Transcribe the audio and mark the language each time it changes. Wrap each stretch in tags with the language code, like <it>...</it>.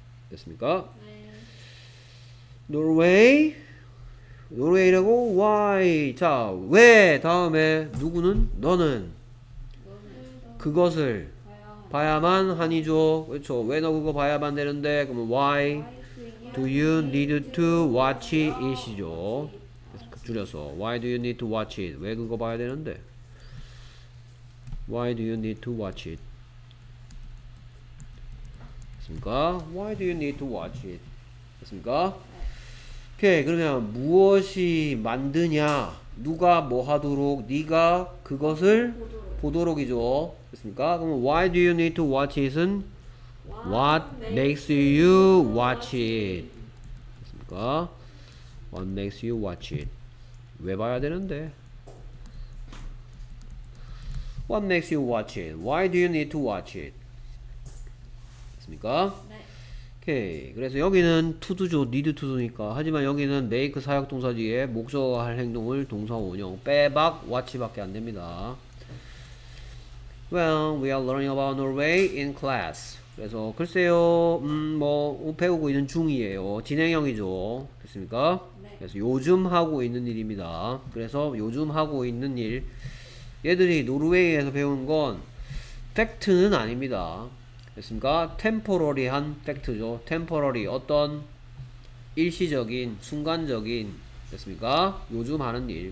<ko>됐습니까? 노르웨이? 노르웨이라고? why? 자, 왜? 다음에 누구는? 너는? 그것을 봐야만 하니죠. 그렇죠. 왜 너 그거 봐야만 되는데?</ko> <en>그럼 why do you need to watch it이죠.</en> <ko>줄여서</ko> <en>why do you need to watch it?</en> <ko>왜 그거 봐야 되는데?</ko> <en>why do you need to watch it?</en> <ko>됐습니까?</ko> <en>why do you need to watch it? 됐습니까? 오케이.</en> <ko>그러면 무엇이 만드냐? 누가 뭐 하도록? 네가 그것을 보도록이죠. 됐습니까?</ko> <en>그럼 why do you need to watch it은 what makes you watch it?</en> <ko>됐습니까?</ko> <en>what makes you watch it?</en> <ko>왜 봐야 되는데?</ko> <en>what makes you watch it? why do you need to watch it?</en> <ko>됐습니까? 오케이. 그래서 여기는 to도죠. need to도니까. 하지만 여기는 make 사역동사 뒤에 목적어 할 행동을 동사 원형 빼박 watch밖에 안 됩니다.</ko> <en>Well, we are learning about Norway in class.</en> <ko>그래서 글쎄요, 뭐 배우고 있는 중이에요. 진행형이죠. 됐습니까? 네. 그래서 요즘 하고 있는 일입니다. 그래서 요즘 하고 있는 일, 얘들이 노르웨이에서 배운 건 팩트는 아닙니다. 됐습니까? temporary한 팩트죠. temporary, 어떤 일시적인, 순간적인, 됐습니까? 요즘 하는 일.</ko>